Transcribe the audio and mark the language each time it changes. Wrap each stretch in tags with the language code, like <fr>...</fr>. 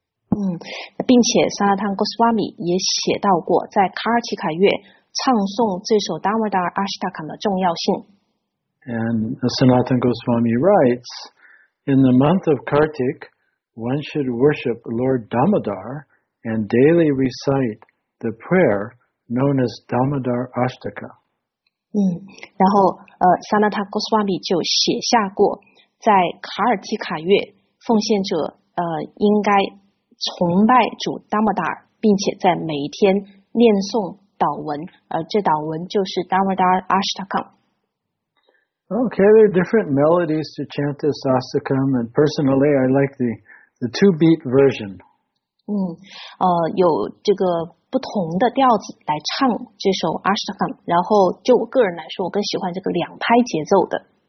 <zh>并且萨拉坦 Goswami 也写到过在卡尔提卡月唱诵这首 Damodar Ashtakam 的重要性。</zh> <en>And Sanatan Goswami writes, In the month of Kartik, one should worship Lord Damodar and daily recite the prayer known as Damodar Ashtaka.</en> <zh>然后萨拉坦 Goswami 就写下过在卡尔提卡月奉献者应该崇拜主达摩达尔，并且在每天念诵祷文，这祷文就是达摩达尔阿什塔卡。</zh> <en>Okay, there are different melodies to chant this Astakam, and personally, I like the two-beat version.</en> <zh>有这个不同的调子来唱这首阿什塔卡，然后就我个人来说，我更喜欢这个两拍节奏的。</zh>